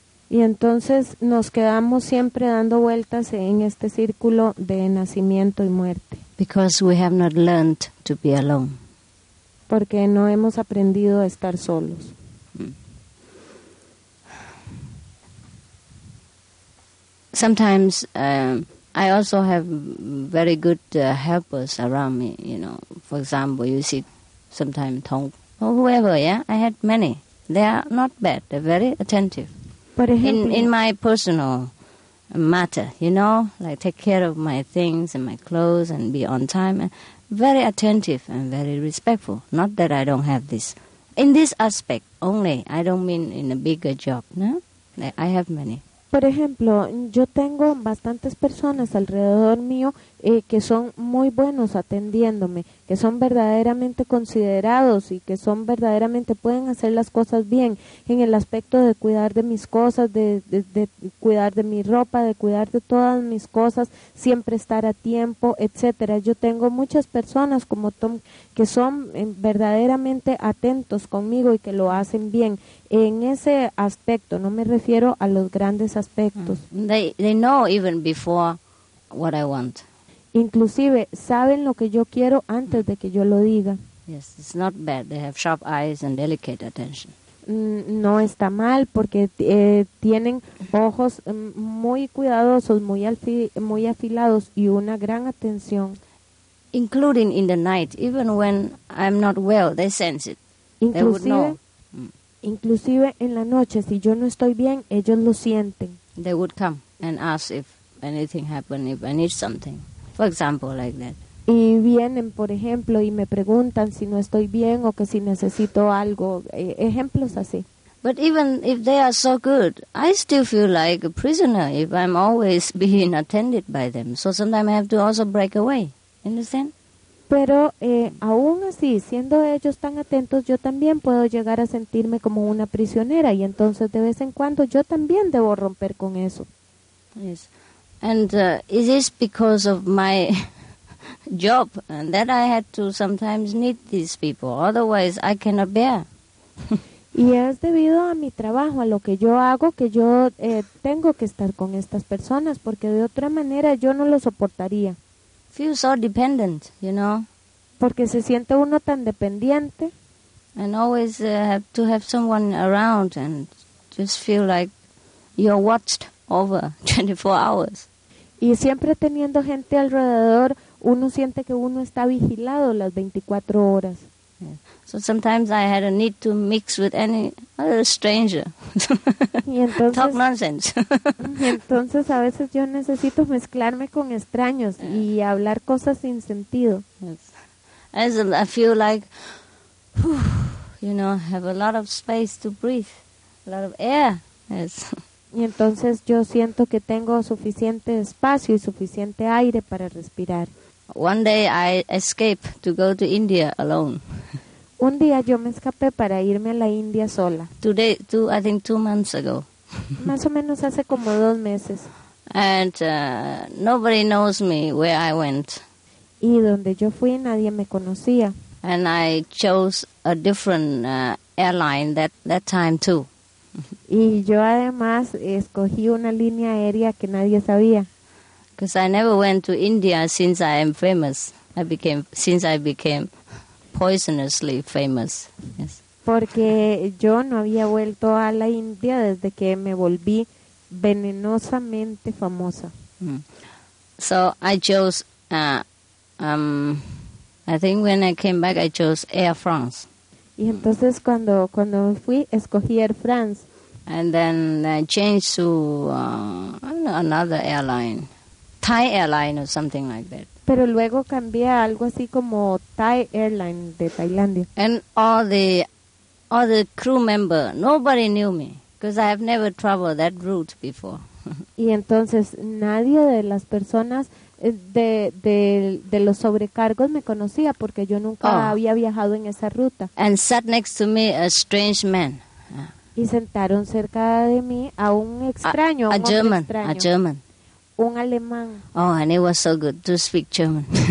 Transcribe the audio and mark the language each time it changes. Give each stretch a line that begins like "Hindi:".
Spanish: Y entonces nos quedamos siempre dando vueltas en este círculo de nacimiento y muerte.
English: Because we have not learned to be alone.
Spanish: Porque no hemos aprendido a estar solos.
English: Sometimes I also have very good helpers around me, you know. For example, you see sometimes Tong or whoever, yeah? I had many. They are not bad. They're very attentive. But in my personal matter, you know, like take care of my things and my clothes and be on time. Very attentive and very respectful. Not that I don't have this. In this aspect only, I don't mean in a bigger job, no? I have many.
Spanish: Por ejemplo, yo tengo bastantes personas alrededor mío que son muy buenos atendiéndome, que son verdaderamente considerados y que son verdaderamente pueden hacer las cosas bien en el aspecto de cuidar de mis cosas, de cuidar de mi ropa, de cuidar de todas mis cosas, siempre estar a tiempo, etcétera. Yo tengo muchas personas como Tom que son verdaderamente atentos conmigo y que lo hacen bien. En ese aspecto, no me refiero a los grandes aspectos.
English: They know even before what I want.
Spanish: Inclusive saben lo que yo quiero antes de que yo lo diga.
English: Yes, it's not bad. They have sharp eyes and delicate attention.
Spanish: No está mal porque tienen ojos muy cuidadosos, muy afilados y una gran atención.
English: Including in the night, even when I'm not well, they sense it.
Spanish: Inclusive,
English: they would know.
Spanish: Inclusive en la noche, si yo no estoy bien, ellos lo sienten.
English: They would come and ask if anything happened, if I need something. For example, like that.
Spanish: Y vienen, por ejemplo, y me preguntan si no estoy bien o que si necesito algo. Ejemplos así.
English: But even if they are so good, I still feel like a prisoner if I'm always being attended by them. So sometimes I have to also break away. Understand?
Spanish: Pero aún así, siendo ellos tan atentos, yo también puedo llegar a sentirme como una prisionera. Y entonces, de vez en cuando, yo también debo romper con eso.
English: Yes. And is this because of my job and that I had to sometimes need these people? Otherwise, I cannot bear.
Spanish: Y es debido a mi trabajo, a lo que yo hago, que yo tengo que estar con estas personas, porque de otra manera yo no lo soportaría.
English: Feel so dependent, you know.
Spanish: Porque se siente uno tan dependiente.
English: And always have to have someone around and just feel like you're watched over 24 hours.
Spanish: Y siempre teniendo gente alrededor, uno siente que uno está vigilado las 24 horas.
English: So sometimes I had a need to mix with any other stranger.
Spanish: Y entonces,
English: talk nonsense.
Spanish: Y entonces a veces yo necesito mezclarme con extraños y hablar cosas sin sentido.
English: Yes. As I feel like, you know, have a lot of space to breathe, a lot of air. Yes.
Spanish: Y entonces yo siento que tengo suficiente espacio y suficiente aire para respirar.
English: One day I escape to go to India alone.
Spanish: Un día yo me escapé para irme a la India sola.
English: Today, I think 2 months ago.
Spanish: Más o menos hace como 2 meses.
English: And nobody knows me where I went.
Spanish: Y donde yo fui nadie me conocía.
English: And I chose a different airline that time too.
Spanish: Y yo además escogí una línea aérea que nadie sabía.
English: Because I never went to India since I am famous. Since I became poisonously famous. Yes.
Spanish: Porque yo no había vuelto a la India desde que me volví venenosamente famosa. Mm.
English: So I chose, I think when I came back I chose Air France.
Spanish: Y entonces cuando fui escogí Air France.
English: And then I changed to another airline. Thai airline or something like that.
Spanish: Pero luego cambié a algo así como Thai airline de Tailandia.
English: And all the crew member, nobody knew me because I have never traveled that route before.
Spanish: Y entonces nadie de las personas de los sobrecargos me conocía porque yo nunca había viajado en esa ruta.
English: And sat next to me a strange man.
Spanish: Y sentaron cerca de mí a un extraño,
English: a German.
Spanish: Un alemán.
English: Oh, and it was so good to speak German.